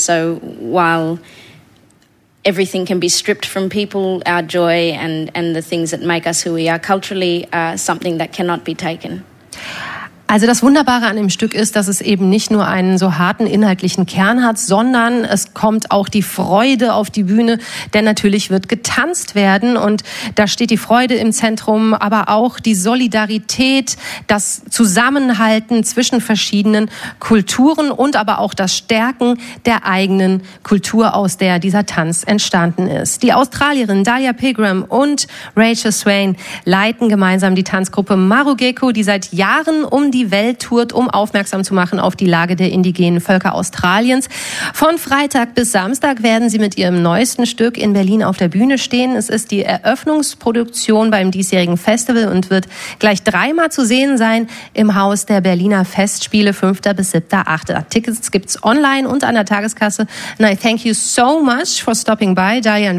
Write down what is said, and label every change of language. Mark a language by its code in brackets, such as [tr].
[en] So while everything can be stripped from people, our joy and the things that make us who we are culturally are something that cannot be taken. [de] Also das Wunderbare an dem Stück ist, dass es eben nicht nur einen so harten inhaltlichen Kern hat, sondern es kommt auch die Freude auf die Bühne, denn natürlich wird getanzt werden, und da steht die Freude im Zentrum, aber auch die Solidarität, das Zusammenhalten zwischen verschiedenen Kulturen und aber auch das Stärken der eigenen Kultur, aus der dieser Tanz entstanden ist. Die Australierin Dahlia Pilgrim und Rachel Swain leiten gemeinsam die Tanzgruppe Marugeku, die seit Jahren die Welt tourt, um aufmerksam zu machen auf die Lage der indigenen Völker Australiens. Von Freitag bis Samstag werden sie mit ihrem neuesten Stück in Berlin auf der Bühne stehen. Es ist die Eröffnungsproduktion beim diesjährigen Festival und wird gleich dreimal zu sehen sein im Haus der Berliner Festspiele, 5. bis 7. 8. Tickets gibt's online und an der Tageskasse. [en] And I thank you so much for stopping by, Dahlia and Rachel, and have a great time in Berlin and keep up the good work.